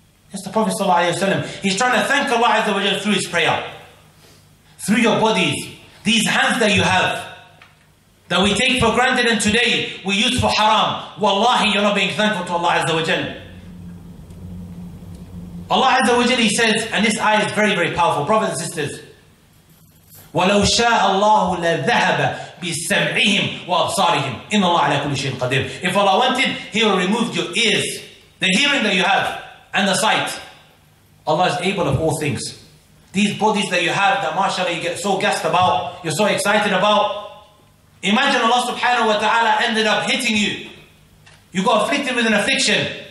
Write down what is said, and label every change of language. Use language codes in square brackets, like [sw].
[en] It's the Prophet sallallahu alayhi wa sallam. He's trying to thank Allah Azza wa Jalla through his prayer. Through your bodies, these hands that you have, that we take for granted and today we use for haram. Wallahi, you're not being thankful to Allah Azza wa Jal. Allah Azza wa Jal, He says, and this ayah is very, very powerful. Brothers and sisters, [ar] وَلَوْ شَاءَ اللَّهُ لَذَهَبَ بِسَمْعِهِمْ وَأَبْصَارِهِمْ إِنَّ اللَّهَ عَلَى كُلِّ شَيْءٍ قَدِيرٌ. [en] If Allah wanted, He will remove your ears, the hearing that you have, and the sight. Allah is able of all things. These bodies that you have, that mashallah you get so gassed about, you're so excited about. Imagine Allah subhanahu wa ta'ala ended up hitting you. You got afflicted with an affliction.